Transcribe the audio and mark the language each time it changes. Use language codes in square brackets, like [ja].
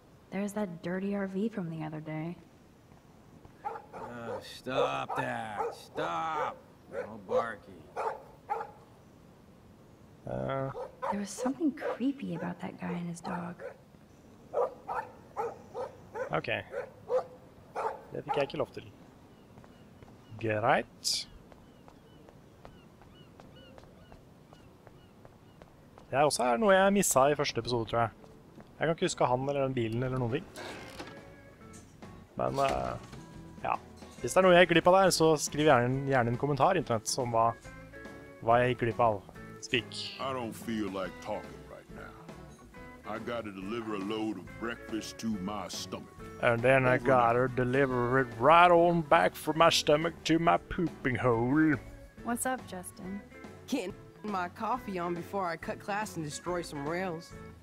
[en] There's that dirty RV from the other day. Stop that. Stop. No barking. There was something creepy about that guy and his dog. Okay. [no] Det fikk jeg ikke lov til. Greit. Det er også noe jeg misset I første episode, tror jeg. Jeg kan ikke huske han eller den bilen eller noen ting. Men, ja. Hvis det noe jeg gikk glipp av der, så skriv gjerne en kommentar, internett, som hva jeg gikk glipp av. [en] Speak. I don't feel like talking right now. I gotta deliver a load of breakfast to my stomach. And then I got her deliver it right on back from my stomach to my pooping hole. What's up, Justin? Getting my coffee on before I cut class and destroy some rails.